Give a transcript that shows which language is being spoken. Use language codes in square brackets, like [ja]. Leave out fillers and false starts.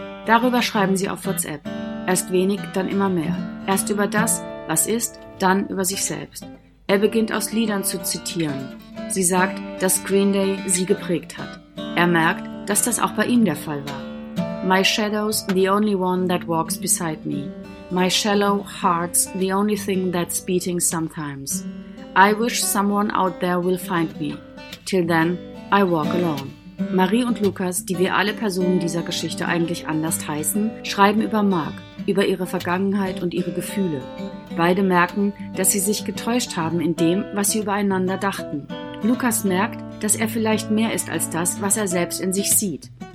[de] Darüber schreiben sie auf WhatsApp. Erst wenig, dann immer mehr. Erst über das, was ist, dann über sich selbst. Er beginnt aus Liedern zu zitieren. Sie sagt, dass Green Day sie geprägt hat. Er merkt, dass das auch bei ihm der Fall war. [en] My shadow's the only one that walks beside me. My shallow heart's the only thing that's beating sometimes. I wish someone out there will find me. Till then, I walk alone. [de] Marie und Lukas, die wie alle Personen dieser Geschichte eigentlich anders heißen, schreiben über Mark, über ihre Vergangenheit und ihre Gefühle. Beide merken, dass sie sich getäuscht haben in dem, was sie übereinander dachten. Lukas merkt, dass er vielleicht mehr ist als das, was er selbst in sich sieht.